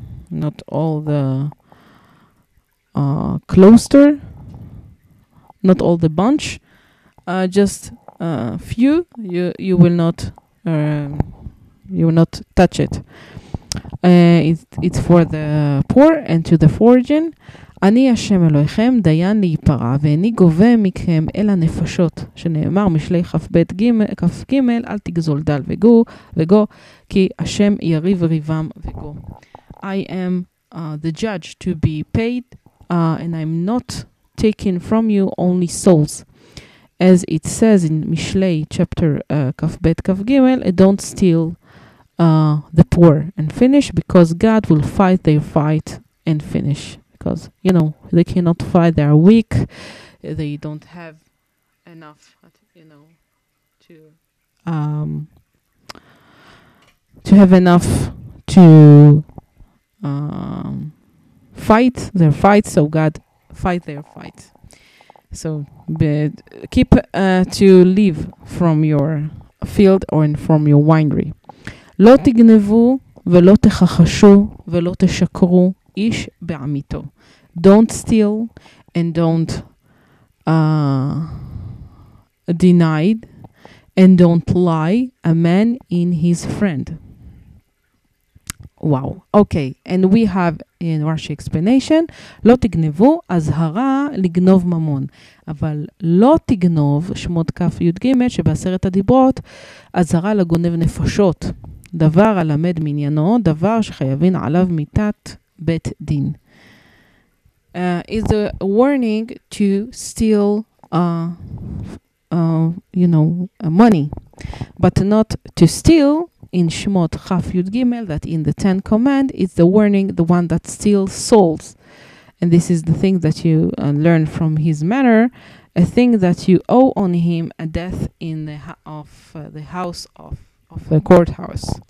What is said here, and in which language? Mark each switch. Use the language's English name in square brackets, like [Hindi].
[English] Not all the cluster, not all the bunch, just a few, you will not, you will not touch it. It's for the poor and to the foreign. [Hebrew] אני השם אלוהיכם דיין להיפרה ואני גובה מכם אל הנפשות שנאמר משלי כ"ג אל תגזול דל וגו וגו כי השם יריב ריבם וגו. [English] I am the judge to be paid and I'm not taking from you only souls. As it says in Mishlei chapter Kafbet Kafgimel, don't steal the poor and finish, because God will fight their fight and finish. Because, you know, they cannot fight, they are weak, they don't have enough, you know, to have enough to fight their fight, so God fight their fight. So keep to leave from your field or from your winery. [Hebrew] לא תגנבו ולא תכחשו ולא תשקרו איש בעמיתו. [English] Don't steal and don't deny and don't lie a man in his friend. Wow. Okay. And we have in Rashi explanation, [Hebrew] לא תגנבו, אזהרה לגנוב ממון. אבל לא תגנוב, שמות כף י' ג' שבעשרת הדיברות, אזהרה לגונב נפשות. דבר הלמד מניינו, דבר שחייבין עליו מיתת בית דין. [English] Is a warning to steal, you know, money. But not to steal. In Shmot Chaf Yud Gimel, that in the Ten Command, it's the warning, the one that steals souls. And this is the thing that you learn from his manner, a thing that you owe on him, a death in the the house of the courthouse.